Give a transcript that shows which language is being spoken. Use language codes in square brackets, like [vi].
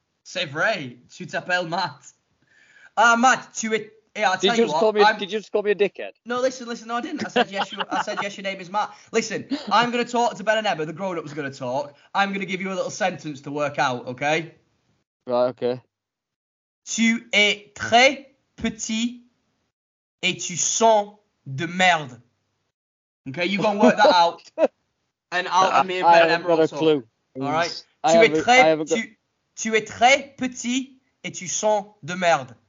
[fr] C'est vrai, tu t'appelles Matt. [en] Matt, [fr] tu es... [en] Yeah, I'll tell Did you just call me a dickhead? No, listen, no, I didn't. I said yes, your name is Matt. Listen, I'm going to talk to Ben and Emma, the grown-up's going to talk. I'm going to give you a little sentence to work out, okay? Right, okay. [fr] Tu es très petit et tu sens de merde. [en] Okay, you're going to work that out. And I'll me and Ben and Emma will talk. I haven't got a clue. All right? [fr] Tu es très petit et tu sens de merde.